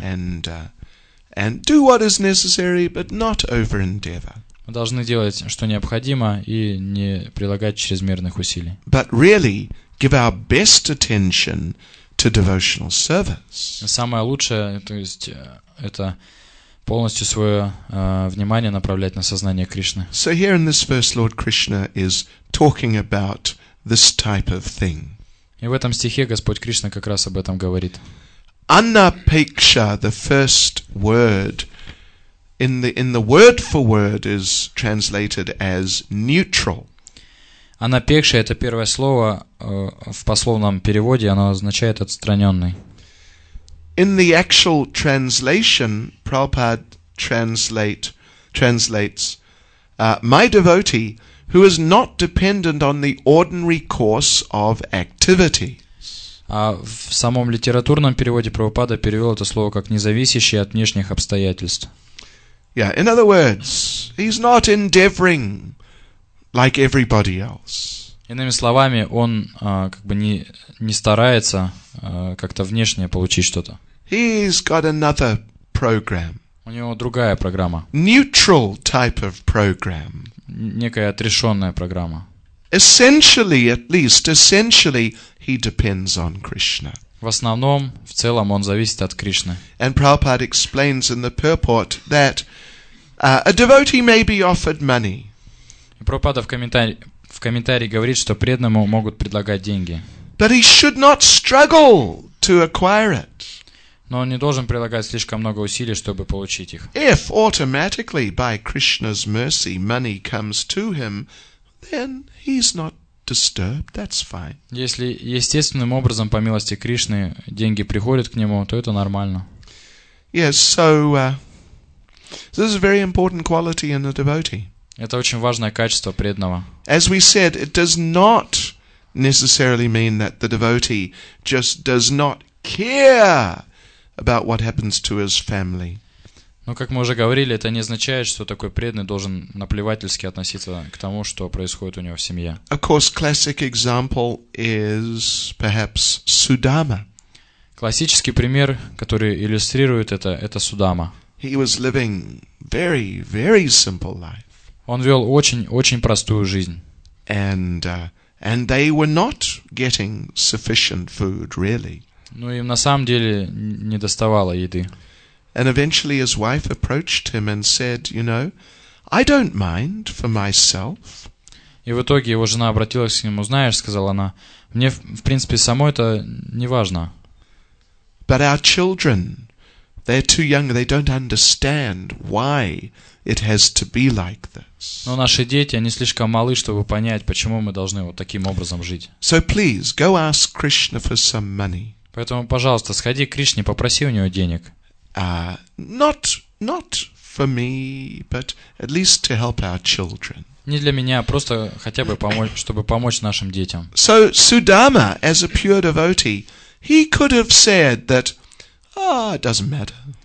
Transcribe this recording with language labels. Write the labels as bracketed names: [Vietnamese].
[English] And do what is necessary, but not over-endeavor. [Russian] Мы должны делать, что необходимо, и не прилагать чрезмерных усилий. [English] But really, give our best attention to devotional service. [Russian] Самое лучшее, то есть, это полностью свое внимание направлять на сознание Кришны. [English] So here in this verse, Lord Krishna is talking about this type of thing. [Russian] И в этом стихе Господь Кришна как раз об этом говорит. [English] Annapeksha, the first word in the word for word is translated as neutral. [Russian] Annapeksha это первое слово в пословном переводе, оно означает отстраненный. [English] In the actual translation, Prabhupada translates my devotee who is not dependent on the ordinary course of activity. [Russian] А в самом литературном переводе Прабхупада перевел это слово как независящий от внешних обстоятельств. [English] Yeah, in other words, he's not endeavoring like everybody else. [Russian] Иными словами, он как бы не старается как-то внешне получить что-то. [English] He's got another program. [Russian] У него другая программа. [English] Neutral type of program. [Russian] Некая отрешенная программа. [English] Essentially, at least, essentially, he depends on Krishna. [Russian] В основном, в целом, он зависит от Кришны. [English] And Prabhupada explains in the purport that a devotee may be offered money. [Russian] Прабхупада в комментарии говорит, что преданному могут предлагать деньги. [English] But he should not struggle to acquire it. [Russian] Но он не должен прилагать слишком много усилий, чтобы получить их. [English] If automatically by Krishna's mercy money comes to him, then he's not disturbed. That's fine. [Russian] Если естественным образом по милости Кришны деньги приходят к нему, то это нормально. [English] Yes, so this is a very important quality in a devotee. [Russian] Это очень важное качество преданного. [English] As we said, it does not necessarily mean that the devotee just does not care about what happens to his family. [Russian] Но, как мы уже говорили, это не означает, что такой преданный должен наплевательски относиться к тому, что происходит у него в семье. [English] Of course, classic example is perhaps Sudama. [Russian] Классический пример, который иллюстрирует это Судама. [English] He was living very, very simple life. [Russian] Он вел очень-очень простую жизнь. [English] And they were not getting sufficient food, really. [Russian] Но им на самом деле не доставало еды. [English] And eventually his wife approached him and said, you know, I don't mind for myself. [Russian] И в итоге его жена обратилась к нему, знаешь, сказала она, мне в принципе самой это не важно. [English] But our children, they're too young, they don't understand why it has to be like this. [Russian] Но наши дети, они слишком малы, чтобы понять, почему мы должны вот таким образом жить. [English] So please go ask Krishna for some money. [Russian] Поэтому, пожалуйста, сходи к Кришне, попроси у него денег. [English] Not for me, but at least to help our children. [Russian] Не для меня, а просто хотя бы помочь, чтобы помочь нашим детям. [English] So Sudama, as a pure devotee, he could have said that, it doesn't matter.